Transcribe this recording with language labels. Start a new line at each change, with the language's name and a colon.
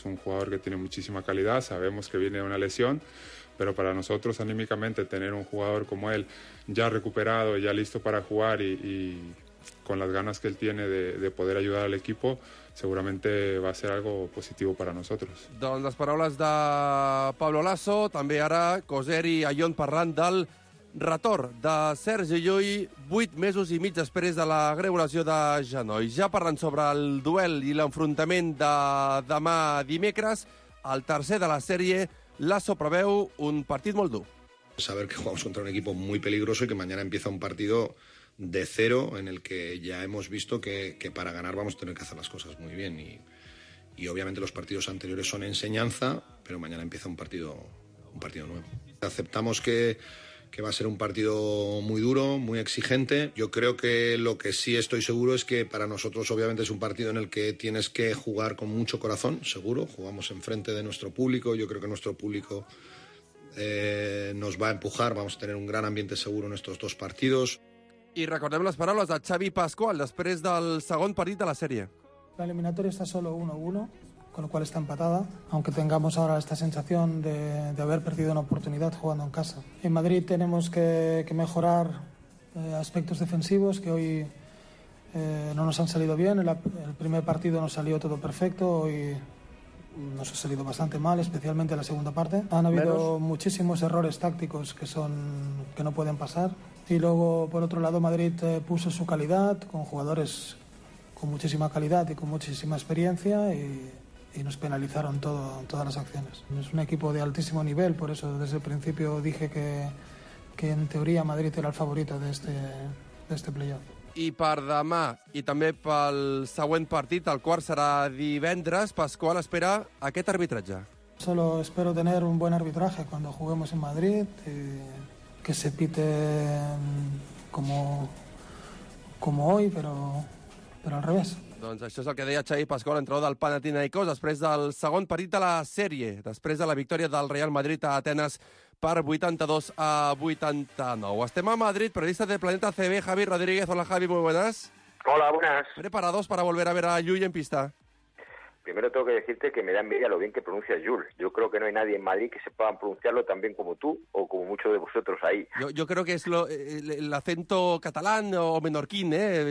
Spanish: Es un jugador que tiene muchísima calidad, sabemos que viene de una lesión, pero para nosotros anímicamente tener un jugador como él ya recuperado, ya listo para jugar y con las ganas que él tiene de poder ayudar al equipo, seguramente va a ser algo positivo para nosotros.
Catalan: Doncs les paraules de Pablo Lasso, també ara Coser i Ayón parlant del retorn de Sergi Llull 8 mesos i mig després de la greu lesió de genoll. Ja parlant sobre el duel i l'enfrontament de demà dimecres, el tercer de la sèrie, Lasso preveu un partit molt dur.
Spanish: Saber que jugamos contra un equipo muy peligroso y que mañana empieza un partido de cero en el que ya hemos visto que para ganar vamos a tener que hacer las cosas muy bien. Y obviamente los partidos anteriores son enseñanza, pero mañana empieza un partido nuevo. Aceptamos que va a ser un partido muy duro, muy exigente. Yo creo que lo que sí estoy seguro es que para nosotros obviamente es un partido en el que tienes que jugar con mucho corazón, seguro. Jugamos enfrente de nuestro público. Yo creo que nuestro público nos va a empujar. Vamos a tener un gran ambiente seguro en estos dos partidos.
Catalan: I recordem les paraules de Xavi Pascual després del segon partit de la sèrie.
Spanish: La eliminatoria está solo 1-1, con lo cual está empatada, aunque tengamos ahora esta sensación de haber perdido una oportunidad jugando en casa. En Madrid tenemos que mejorar aspectos defensivos que hoy no nos han salido bien. El primer partido nos salió todo perfecto, hoy nos ha salido bastante mal, especialmente la segunda parte. Han habido muchísimos errores tácticos que no pueden pasar. Y luego, por otro lado, Madrid puso su calidad con jugadores con muchísima calidad y con muchísima experiencia y nos penalizaron todas las acciones. Es un equipo de altísimo nivel, por eso desde el principio dije que en teoría Madrid era el favorito de este playoff.
Catalan: i per demà i també pel següent partit, el quart serà divendres. Pascual espera aquest arbitratge.
Spanish: Solo espero tener un buen arbitraje cuando juguemos en Madrid, que se pite como hoy, pero al revés.
Catalan: Doncs això és el que deia Xavi Pascual, entrenador del Panathinaikos, després del segon partit de la sèrie, després de la victòria del Real Madrid a Atenes per 82-89. Estem a Madrid, periodista de Planeta CB, Javi Rodríguez. Hola, Javi,
Spanish: muy buenas. Hola, buenas. ¿Preparados para volver a ver a Llull en pista? Primero tengo que decirte que me da envidia lo bien que pronuncia Jul. Yo creo que no hay nadie en Madrid que se pueda pronunciarlo tan bien como tú o como muchos de vosotros ahí. Yo creo que es el acento catalán o menorquín, ¿eh?